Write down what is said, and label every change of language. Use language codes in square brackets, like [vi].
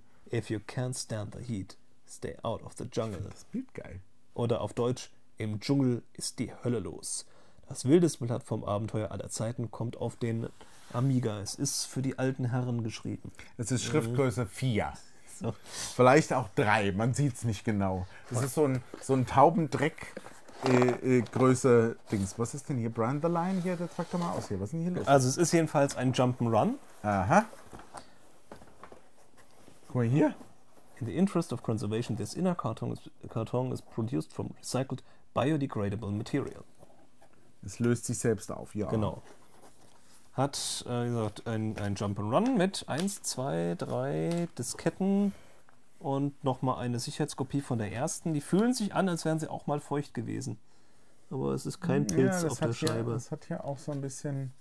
[en] If you can't stand the heat, stay out of the jungle. [de] Das Bild geil. Oder auf Deutsch, im Dschungel ist die Hölle los. Das wildeste Blatt vom Abenteuer aller Zeiten kommt auf den Amiga. Es ist für die alten Herren geschrieben. Es ist Schriftgröße 4. So. Vielleicht auch 3, man sieht es nicht genau. Das ist so ein Taubendreck-Größe-Dings. Was ist denn hier? Brian the Lion hier? Das fragt doch mal aus hier. Was ist denn hier los? Also es ist jedenfalls ein Jump'n'Run. Aha. Guck mal hier. [en] In the interest of conservation, this inner carton is produced from recycled biodegradable material. [de] Es löst sich selbst auf, ja. Genau. Hat, wie gesagt, ein Jump'n'Run mit 1, 2, 3 Disketten und nochmal eine Sicherheitskopie von der ersten. Die fühlen sich an, als wären sie auch mal feucht gewesen. Aber es ist kein Pilz auf der Scheibe. Ja, das hat hier auch so ein bisschen...